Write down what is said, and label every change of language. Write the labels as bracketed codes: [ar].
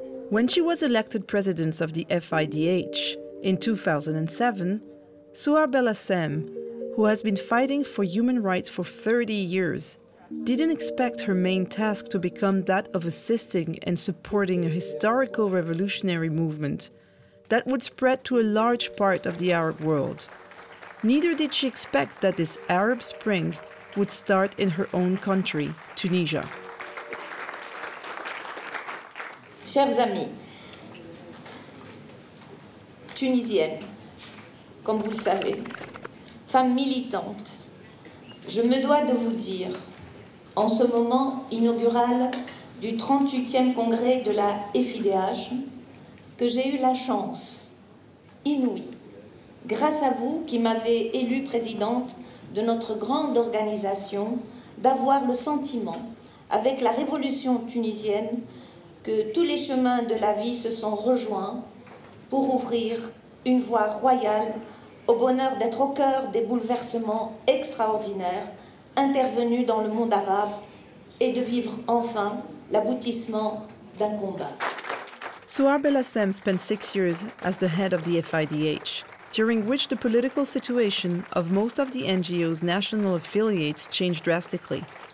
[en] When she was elected president of the FIDH in 2007, Suhar Belassem, who has been fighting for human rights for 30 years, didn't expect her main task to become that of assisting and supporting a historical revolutionary movement that would spread to a large part of the Arab world. Neither did she expect that this Arab Spring would start in her own country, Tunisia. [fr] Chers amis, tunisiennes, comme vous le savez, femmes militantes, je me dois de vous dire, en ce moment inaugural du 38e congrès de la FIDH, que j'ai eu la chance inouïe, grâce à vous qui m'avez élue présidente de notre grande organisation, d'avoir le sentiment, avec la révolution tunisienne, que tous les chemins de la vie se sont rejoints pour ouvrir une voie royale au bonheur d'être au cœur des bouleversements extraordinaires intervenus dans le monde arabe et de vivre enfin l'aboutissement d'un combat. [en] Suhar Belassem spent 6 years as the head of the FIDH, during which the political situation of most of the NGO's national affiliates changed drastically.